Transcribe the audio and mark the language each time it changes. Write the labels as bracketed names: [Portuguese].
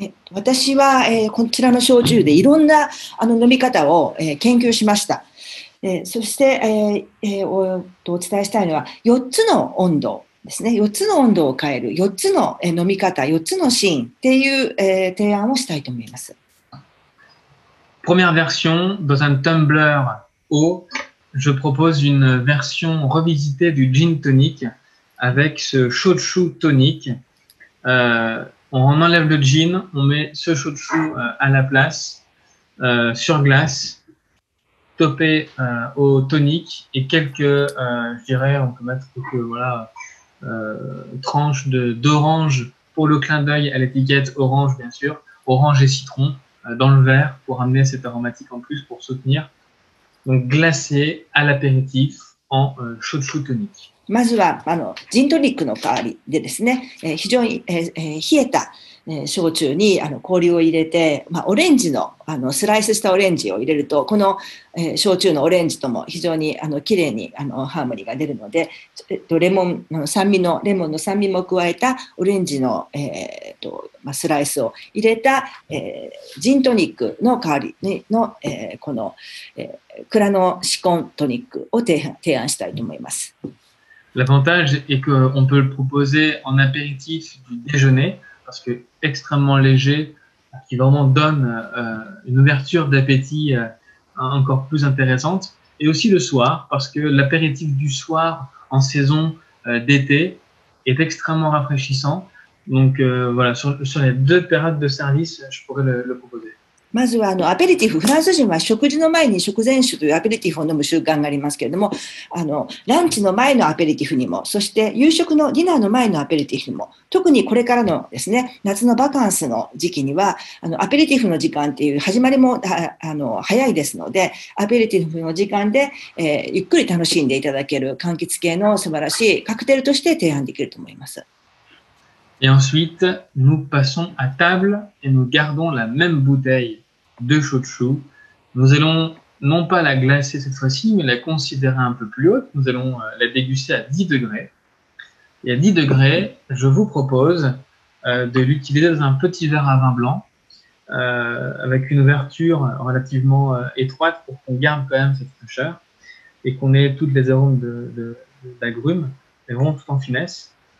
[Japanese] 私は、こちらの焼酎でいろんなあの飲み方を、研究しました。そして、お伝えしたいのは4つの温度ですね。 4つの温度を変える4つの、飲み方、4つのシーンっていう、提案をしたいと思います。 [French] Première version dans un tumbler eau. Je propose une version revisitée du gin tonic avec ce shochu tonic. On enlève le gin, on met ce shochu à la place, sur glace, topé au tonic et quelques, je dirais, on peut mettre quelques voilà, tranches d'orange pour le clin d'œil à l'étiquette orange, bien sûr, orange et citron dans le verre pour amener cette aromatique en plus pour soutenir. Glacé à l'apéritif en shochu tonic. [Japanese] まずはあのジントニックの代わりでですね、非常に、冷えた、焼酎にあの氷を入れて、まあ、オレンジ の, あのスライスしたオレンジを入れるとこの、焼酎のオレンジとも非常にあのきれいにあのハーモニーが出るのでレモンの酸味のレモンの酸味も加えたオレンジの、まあ、スライスを入れた、ジントニックの代わりにの、この、蔵のシコントニックを提案したいと思います。 [French] L'avantage est qu'on peut le proposer en apéritif du déjeuner, parce que extrêmement léger, qui vraiment donne une ouverture d'appétit encore plus intéressante. Et aussi le soir, parce que l'apéritif du soir en saison d'été est extrêmement rafraîchissant. Donc voilà, sur les deux périodes de service, je pourrais le proposer. [Japanese] まずはあのアペリティフ、フランス人は食事の前に食前酒というアペリティフを飲む習慣がありますけれども、あのランチの前のアペリティフにも、そして夕食のディナーの前のアペリティフにも、特にこれからのですね、夏のバカンスの時期には、あのアペリティフの時間っていう始まりもあの早いですので、アペリティフの時間で、ゆっくり楽しんでいただける柑橘系の素晴らしいカクテルとして提案できると思います。 [French] Et ensuite, nous passons à table et nous gardons la même bouteille de shochu. Nous allons non pas la glacer cette fois-ci, mais la considérer un peu plus haute. Nous allons la déguster à 10 degrés. Et à 10 degrés, je vous propose de l'utiliser dans un petit verre à vin blanc, avec une ouverture relativement étroite pour qu'on garde quand même cette fraîcheur et qu'on ait toutes les arômes d'agrumes, mais vraiment tout en finesse.